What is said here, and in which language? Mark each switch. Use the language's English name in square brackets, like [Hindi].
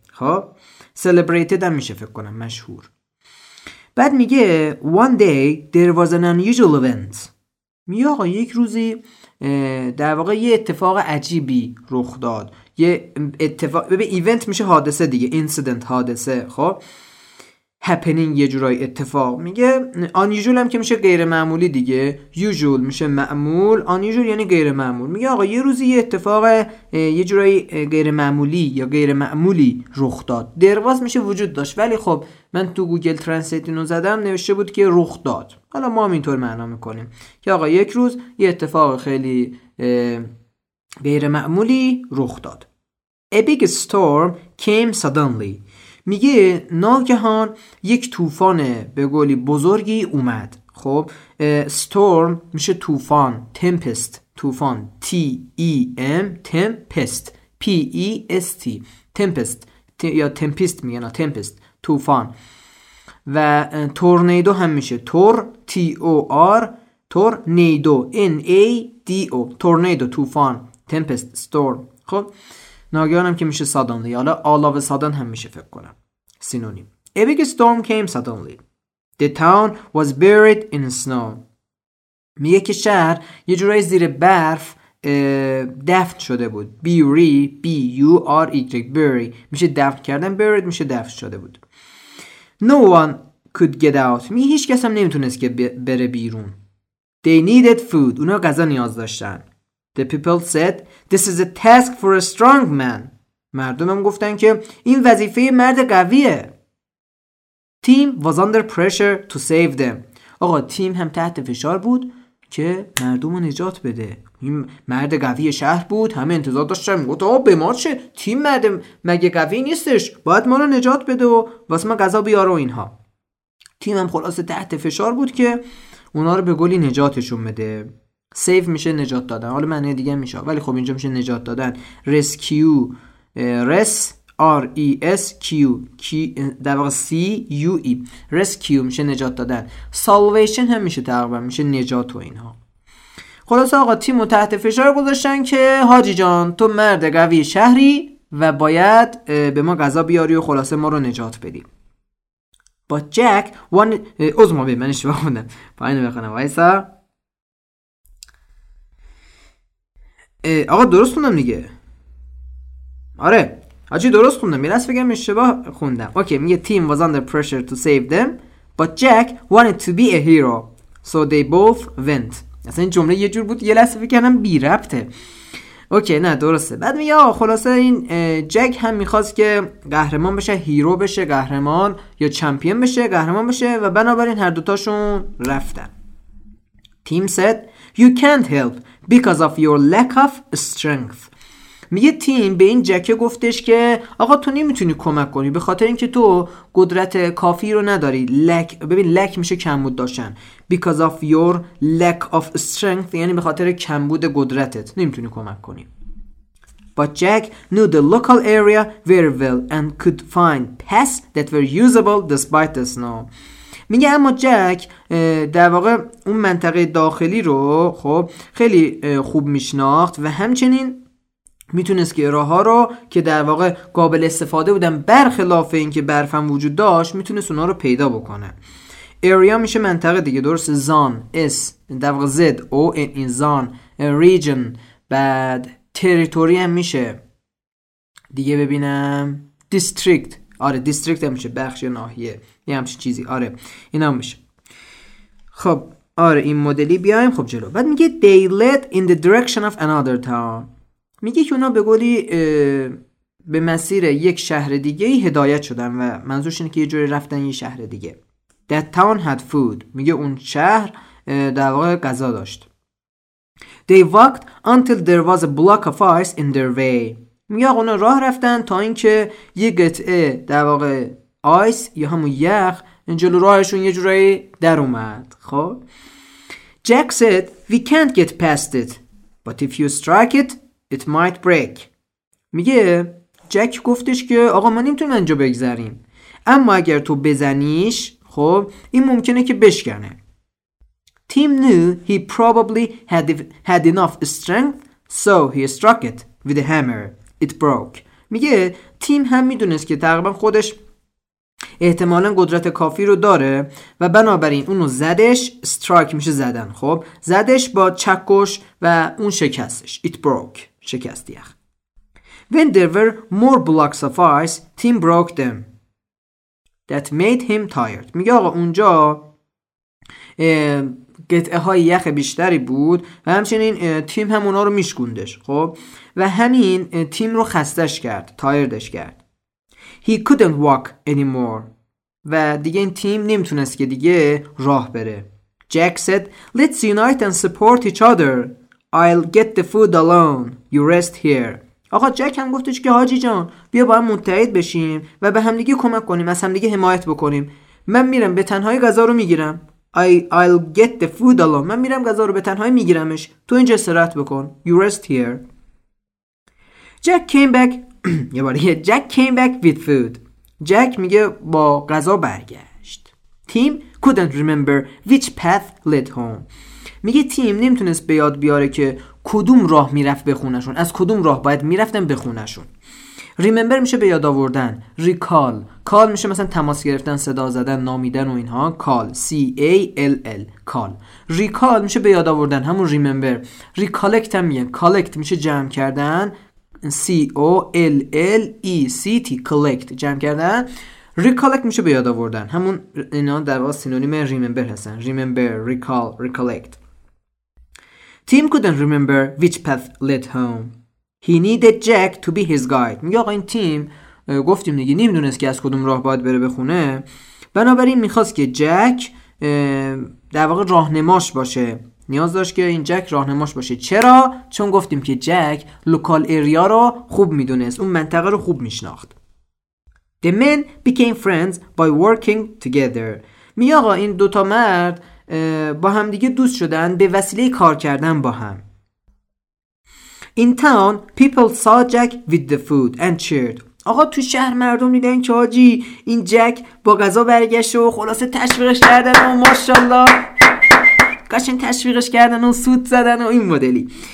[Persian] خب celebrated هم میشه فکر کنم مشهور. [English] بعد میگه one day there was an unusual event. [Persian] میگه آقا یک روزی در واقع یه اتفاق عجیبی رخ داد. یه اتفاق، ببین event میشه حادثه دیگه، incident حادثه، خب happening یه جورای اتفاق. میگه unusual هم که میشه غیر معمولی دیگه، usual میشه معمول، unusual یعنی غیر معمول. میگه آقا یه روزی یه اتفاق یه جورای غیر معمولی یا غیر معمولی رخ داد. there was میشه وجود داشت، ولی خب من تو گوگل ترنسلیت اینو زدم، نوشته بود که رخ داد. حالا ما هم اینطور معنا میکنیم که آقا یک روز یه اتفاق خیلی غیر معمولی رخ داد. [English] A big storm came suddenly. [Persian] میگه ناگهان یک طوفان به گولی بزرگی اومد. [English] خب storm میشه طوفان، tempest طوفان، T-E-M tempest، P-E-S-T tempest، یا tempest میگن، tempest طوفان، و tornado هم میشه tor T-O-R tornado N-A-D-O tornado طوفان، tempest storm. [Persian] خب ناگهان هم که میشه suddenly، حالا [English] all of a sudden [Persian] هم میشه فکر کنم سینونیم. [English] A big storm came suddenly. The town was buried in snow. [Persian] میگه که شهر یه جورای زیر برف دفن شده بود. Bury, B-U-R-Y, bury میشه دفن کردن. Buried میشه دفن شده بود. [English] No one could get out. [Persian] میگه هیچ کس هم نمیتونست که بره بیرون. [English] They needed food. [Persian] اونا غذا نیاز داشتن. [English] The people said, this is a task for a strong man. [Persian] مردم هم گفتن که این وظیفه مرد قویه. [English] Tim was under pressure to save them. [Persian] آقا تیم هم تحت فشار بود که مردم رو نجات بده. این مرد قوی شهر بود، همه انتظار داشتن، میگفت آقا به ما چه، تیم مرد مگه قوی نیستش، باید ما رو نجات بده و واسه ما غذا بیاره و اینها. تیم هم خلاصه تحت فشار بود که اونا رو به گلی نجاتشون بده. سیو میشه نجات دادن، حالا معنی دیگه میشه، ولی خب اینجا میشه نجات دادن. rescue res R E S Q K در واقع C U E rescue میشه نجات دادن، salvation هم میشه تقریبا میشه نجات و اینها. خلاصه آقا تیم رو تحت فشار گذاشتن که حاجی جان تو مرد قوی شهری و باید به ما غذا بیاری و خلاصه ما رو نجات بدی. [English] But Jack wanted [Persian] از ما بید منش بخونم پایینو بخونم وایسا آقا درست خوندم دیگه. آره حاجی درست خوندم، میرست بگم اشتباه خوندم. [English] اوکی میگه Tim was under pressure to save them but Jack wanted to be a hero so they both went. [Persian] اصلا این جمله یه جور بود یه لحظه فکرم بی ربطه. اوکی نه درسته. بعد میگه آقا خلاصه این جک هم میخواست که قهرمان بشه، هیرو بشه، قهرمان یا چمپیون بشه، قهرمان بشه و بنابراین هر دوتاشون رفتن. [English] Tim said you can't help because of your lack of strength. [Persian] میگه تیم به این جکه گفتش که آقا تو نمیتونی کمک کنی به خاطر اینکه تو قدرت کافی رو نداری. لک ببین لک میشه کمبود داشتن. [English] Because of your lack of strength [Persian] یعنی به خاطر کمبود قدرتت نمیتونی کمک کنی. [English] But Jack knew the local area very well and could find paths that were usable despite the snow. [Persian] میگه اما جک در واقع اون منطقه داخلی رو خب خیلی خوب میشناخت و همچنین میتونست که راه ها رو که در واقع قابل استفاده بودن برخلاف این که برف هم وجود داشت میتونست اونا رو پیدا بکنه. area میشه منطقه دیگه درست. زان اس در واقع زد او این زان region بعد territory هم میشه دیگه ببینم district. آره district هم میشه بخش یا ناحیه یه همچین چیزی. آره این هم میشه. خب آره این مدلی بیایم خب جلو. [English] بعد میگه they led in the direction of another town. [Persian] میگه که اونا به قولی به مسیر یک شهر دیگه هدایت شدن و منظورش اینه که یه جوری رفتن یه شهر دیگه. [English] That town had food. [Persian] میگه اون شهر در واقع غذا داشت. [English] They walked until there was a block of ice in their way. [Persian] میگه اونا راه رفتن تا اینکه یه قطعه در واقع آیس یا همون یخ جلو راهشون یه جوری در اومد. [English] خب Jack said we can't get past it but if you strike it it might break. [Persian] میگه جک گفتش که آقا ما نمیتونیم اینجا بگذاریم اما اگر تو بزنیش خب این ممکنه که بشکنه. [English] Tim knew he probably had enough strength so he struck it with a hammer it broke. [Persian] میگه تیم هم میدونست که تقریبا خودش احتمالا قدرت کافی رو داره و بنابراین اونو زدش. استرایک میشه زدن. خب زدش با چکش و اون شکستش. [English] it broke [Persian] شکست یخ. [English] When there were more blocks of ice, Tim broke them. That made him tired. [Persian] میگه آقا اونجا قطعه های یخ بیشتری بود و همچنین تیم هم اونا رو میشکوندش. خب و همین تیم رو خستش کرد، تایردش کرد. [English] He couldn't walk anymore. [Persian] و دیگه این تیم نمیتونست که دیگه راه بره. [English] Jack said, "Let's unite and support each other." I'll get the food alone. You rest here. [Persian] آقا جک هم گفتش که حاجی جان بیا با هم متحد بشیم و به هم دیگه کمک کنیم، از هم دیگه حمایت بکنیم. من میرم به تنهایی غذا رو میگیرم. [English] I'll get the food alone. [Persian] من میرم غذا رو به تنهایی میگیرمش. تو اینجا استراحت بکن. [English] You rest here. Jack came back. [Persian] یه بار دیگه [English] Jack came back with food. [Persian] Jack میگه با غذا برگشت. [English] Tim couldn't remember which path led home. [Persian] میگه تیم نمیتونست به یاد بیاره که کدوم راه میرفت به خونشون، از کدوم راه باید میرفتن به خونشون. remember میشه به یاد آوردن، recall. call میشه مثلا تماس گرفتن، صدا زدن، نامیدن و اینها. [English] call c a l l call. [Persian] recall میشه به یاد آوردن، همون remember. recollect هم میگن، collect میشه جمع کردن، c o l l e c t collect جمع کردن. recollect میشه به یاد آوردن، همون اینا در واقع سینونیم remember هستن. [English] remember recall recollect. Tim couldn't remember which path led home. He needed Jack to be his guide. [Persian] میگه آقا این تیم گفتیم دیگه نمیدونست که از کدوم راه باید بره به خونه، بنابراین میخواست که جک در واقع راهنماش باشه. نیاز داشت که این جک راهنماش باشه. چرا؟ چون گفتیم که جک لوکال ایریا رو خوب میدونست، اون منطقه رو خوب میشناخت. [English] The men became friends by working together. [Persian] میگه آقا این دوتا مرد با هم دیگه دوست شدن به وسیله کار کردن با هم. [English] In town people saw Jack with the food and cheered. [Persian] آقا تو شهر مردم دیدن که حاجی این جک با قضا برگشت و خلاصه تشویقش کردن و ماشاءالله قشن تشویقش کردن و سوت زدن و این مدلی.